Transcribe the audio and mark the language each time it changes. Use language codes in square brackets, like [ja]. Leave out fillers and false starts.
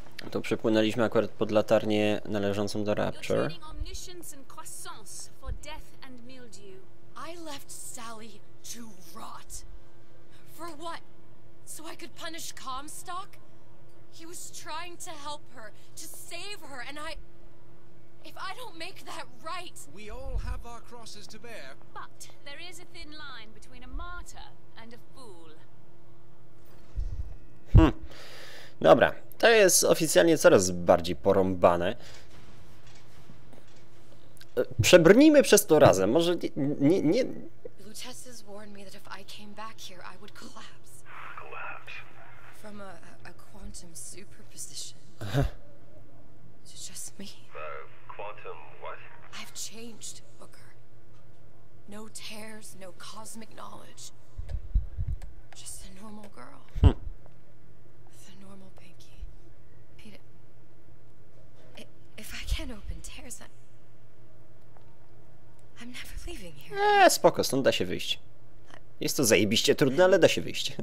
[pl] Tu przepłynęliśmy akurat pod latarnię należącą do Rapture. [en] You're training omniscience and croissance for death and mildew. I left Sally to rot. For what? So I could punish Comstock? He was trying to help her, to save her, and I... If I don't make that right... We all have our crosses to bear. But there is a thin line between a martyr and a fool. [pl] Dobra, to jest oficjalnie coraz bardziej porąbane. Przebrnijmy przez to razem, może nie... [en] Lutessa warned me that if I came back here, I would collapse. From a quantum superposition. To just me. Quantum what? I've changed, Booker. No tears, no cosmic knowledge. Just a normal girl. With a normal pinky. If I can't open tears, I'm never leaving here. [pl] Spoko, stąd da się wyjść. Jest to zajebiście trudne, ale da się wyjść.